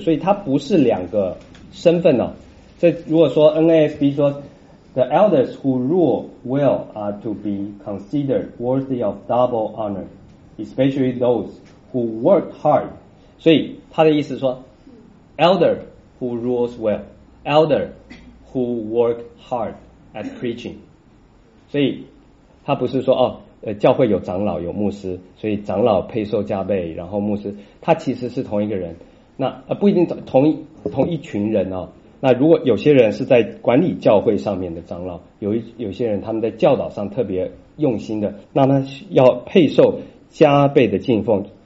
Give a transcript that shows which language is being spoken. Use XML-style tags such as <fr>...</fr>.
<zh>所以他不是两个身份哦。这如果说 NASB 说</zh> <en>The elders who rule well are to be considered worthy of double honor, especially those who work hard.</en> <zh>所以他的意思说</zh> <en>Elder who rules well, Elder who work hard at preaching.</en> <zh>所以他不是说哦教会有长老有牧师，所以长老配受加倍，然后牧师，他其实是同一个人。那不一定同一群人哦。那如果有些人是在管理教会上面的长老，有些人他们在教导上特别用心的，那他要配受加倍的敬奉。</zh>